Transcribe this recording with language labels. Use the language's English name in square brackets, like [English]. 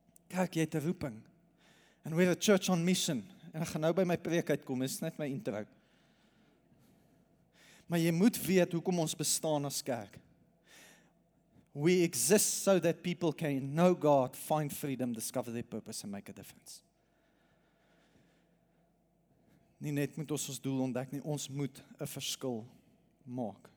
[Afrikaans] Kerk, jy het een roeping [English] and we're a church on mission [Afrikaans] en ek gaan nou by my preek uitkom, dit is net my intro. Maar jy moet weet hoekom ons bestaan as kerk. [English] We exist so that people can know God, find freedom, discover their purpose and make a difference. [Afrikaans] Nie net moet ons ons doel ontdek nie, ons moet 'n verskil maak.